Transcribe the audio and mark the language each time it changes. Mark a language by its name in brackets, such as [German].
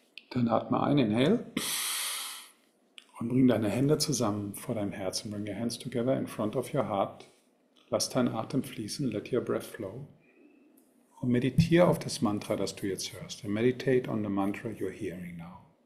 [German] Dann atme ein, inhale und bring deine Hände zusammen vor deinem Herzen. [English] Bring your hands together in front of your heart. [German] Lass deinen Atem fließen, [English] let your breath flow. [German] Und meditiere auf das Mantra, das du jetzt hörst. [English] And meditate on the mantra you're hearing now.